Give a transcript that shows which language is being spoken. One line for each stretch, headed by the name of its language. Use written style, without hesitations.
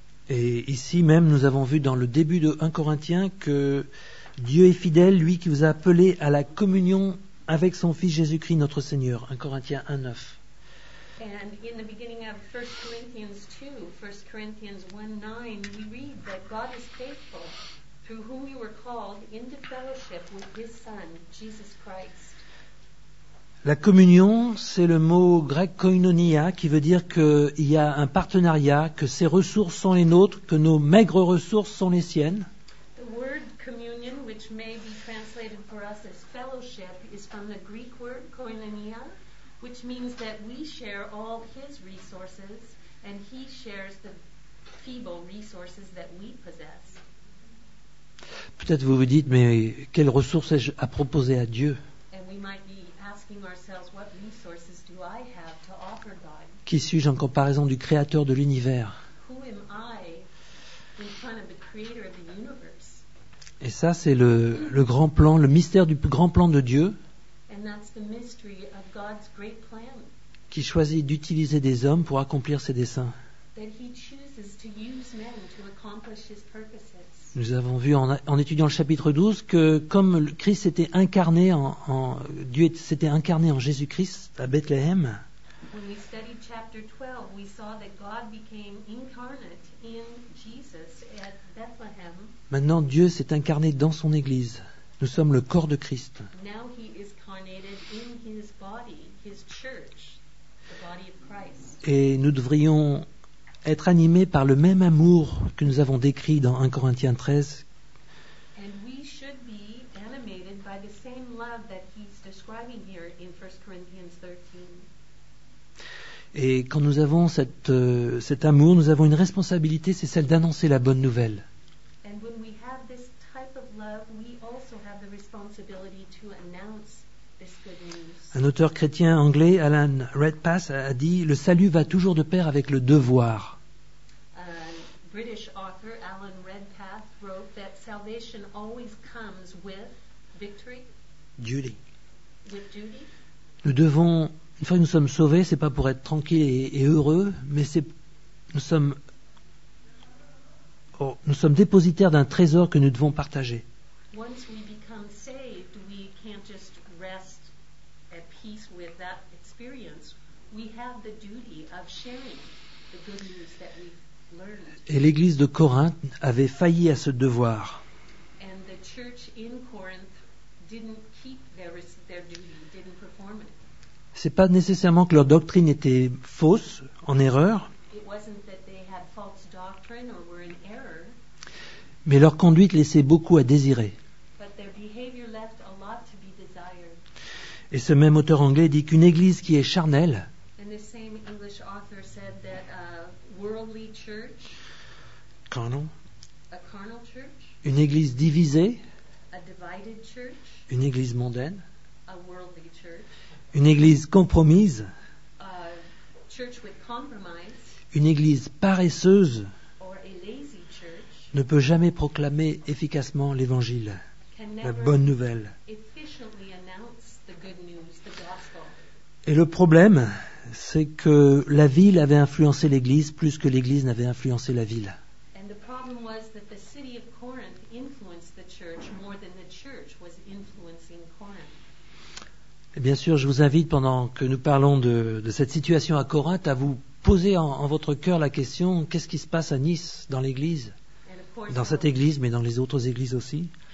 French: Et ici même, nous avons vu dans le début de 1 Corinthiens que Dieu est fidèle, lui qui vous a appelé à la communion avec son Fils Jésus-Christ, notre Seigneur. 1 Corinthiens 1:9.
English: And in the beginning of 1 Corinthians 2, 1 Corinthians 1:9, we read that God is faithful, through whom you were called into fellowship with his Son, Jesus Christ.
French: La communion, c'est le mot grec koinonia, qui veut dire qu'il y a un partenariat, que ses ressources sont les nôtres, que nos maigres ressources sont les siennes.
English: The word communion, which may be translated for us as fellowship, is from the Greek word koinonia, which means that we share all his resources, and he shares the feeble resources that we possess.
French: Peut-être vous vous dites, mais quelles ressources ai-je à proposer à Dieu ?
English: And we might be asking ourselves, what resources do I have to offer God?
French: Qui suis-je en comparaison du Créateur de l'univers ?
English: Who am I in front of the Creator of the universe?
French: Et ça, c'est le grand plan, le mystère du grand plan de Dieu.
English: And that's the mystery of God's great plan.
French: Qui choisit d'utiliser des hommes pour accomplir ses desseins.
English: that he chooses to use men to accomplish his purposes.
French: Nous avons vu en étudiant le chapitre 12 que comme le Christ était incarné en Dieu s'était incarné en Jésus-Christ à Bethléem.
English: When we studied chapter 12, we saw that God became incarnate in Jesus at Bethlehem.
French: Maintenant Dieu s'est incarné dans son Église. Nous sommes le corps de Christ.
English: Now he is incarnated in his body, his church, the body of Christ.
French: Et nous devrions être animé par le même amour que nous avons décrit dans 1 Corinthiens 13.
English: And we should be animated by the same love that he's describing here in 1 Corinthians 13.
French: Et quand nous avons cet amour, nous avons une responsabilité, c'est celle d'annoncer la bonne nouvelle.
English: And when we have this type of love, we also have the responsibility to announce this good news.
French: Un auteur chrétien anglais, Alan Redpath, a dit « Le salut va toujours de pair avec le devoir. »
English: British author Alan Redpath wrote that salvation always comes with victory. Duty. With duty.
French: Nous devons, une fois que nous sommes sauvés, c'est pas pour être tranquille et heureux, mais c'est nous sommes dépositaires d'un trésor que nous devons partager.
English: Once we become saved, we can't just rest at peace with that experience. We have the duty of sharing the good news that we've learned.
French: Et l'église de Corinthe avait failli à ce devoir.
English: And the church in Corinth didn't keep their duty, didn't perform it.
French: C'est pas nécessairement que leur doctrine était fausse, en erreur.
English: It wasn't that they had false doctrine or were in error.
French: Mais leur conduite laissait beaucoup à désirer.
English: But their behavior left a lot to be desired.
French: Et ce même auteur anglais dit qu'une église qui est charnelle,
English: and the same English author said that a worldly church, a carnal church,
French: une église divisée,
English: a divided church,
French: une église mondaine,
English: a worldly church,
French: une église compromise,
English: a church with compromise,
French: une église paresseuse,
English: or a lazy church,
French: ne peut jamais proclamer efficacement l'évangile, la bonne nouvelle.
English: Efficiently announce the good news, the gospel.
French: Et le problème, c'est que la ville avait influencé l'église plus que l'église n'avait influencé la ville.
English: And the problem was that the city of Corinth influenced the church more than the church was influencing Corinth.
French: Et bien sûr, je vous invite, pendant que nous parlons de cette situation à Corinthe, à vous poser en votre cœur la question, qu'est-ce qui se passe à Nice, dans l'église, dans cette église, mais dans les autres églises aussi.